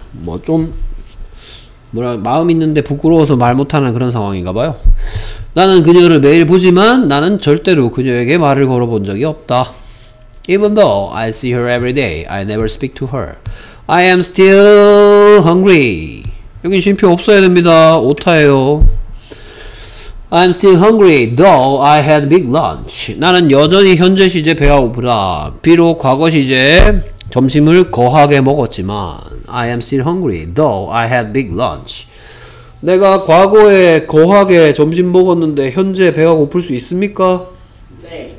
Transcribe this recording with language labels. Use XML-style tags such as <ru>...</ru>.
<ko>뭐 좀 뭐라 마음 있는데 부끄러워서 말 못하는 그런 상황인가 봐요. 나는 그녀를 매일 보지만 나는 절대로 그녀에게 말을 걸어본 적이 없다.</ko> <en>Even though I see her every day, I never speak to her. I am still hungry.</en> <ko>여긴 쉼표 없어야 됩니다. 오타예요.</ko> <en>I'm still hungry though I had big lunch.</en> <ko>나는 여전히 현재 시제 배가 고프다. 비록 과거 시제 점심을 거하게 먹었지만</ko> <en>I am still hungry though I had big lunch.</en> <ko>내가 과거에 거하게 점심 먹었는데 현재 배가 고플 수 있습니까? 네.</ko>